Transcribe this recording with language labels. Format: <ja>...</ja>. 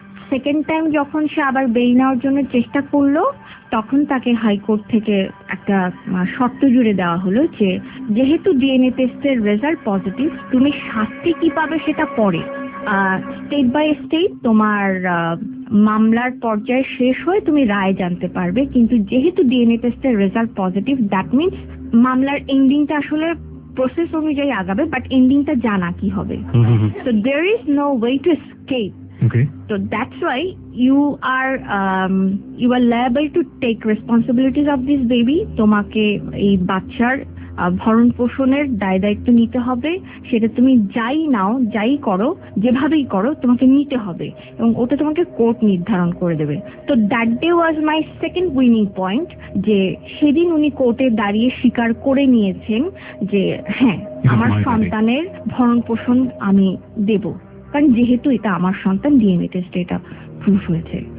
<bn>Second time যখন সে আবার bail নেওয়ার জন্য চেষ্টা করলো তখন তাকে হাইকোর্ট থেকে একটা শর্ত জুড়ে দেওয়া হলো যেহেতু ডিএনএ টেস্টের রেজাল্ট পজিটিভ তুমি শাস্তি কি পাবে সেটা পরে, স্টেট বাই স্টেট তোমার মামলার পর্যায়ে শেষ হয়ে তুমি রায় জানতে পারবে। কিন্তু যেহেতু ডিএনএ টেস্টের রেজাল্ট পজিটিভ দ্যাট মিন্স মামলার এন্ডিংটা আসলে প্রসেস অনুযায়ী আগাবে, বাট এন্ডিংটা জানা কি হবে।</bn> <en>So there is no way to escape. Okay. So that's why you are liable to take responsibilities of this baby.</en> <bn>তোমাকে এই বাচ্চার ভরণ পোষণের দায় দায়িত্ব নিতে হবে। সেটা তুমি যাই নাও যাই করো যেভাবেই করো তোমাকে নিতে হবে এবং ওটা তোমাকে কোর্ট নির্ধারণ করে দেবে। তো</bn> <en>that day was my second winning point</en> <bn>যে সেদিন উনি কোর্টে দাঁড়িয়ে স্বীকার করে নিয়েছেন যে হ্যাঁ আমার সন্তানের ভরণ পোষণ আমি দেব, কারণ যেহেতু এটা আমার সন্তান ডিএনএ টেস্টে এটা প্রুফ হয়েছে।</bn>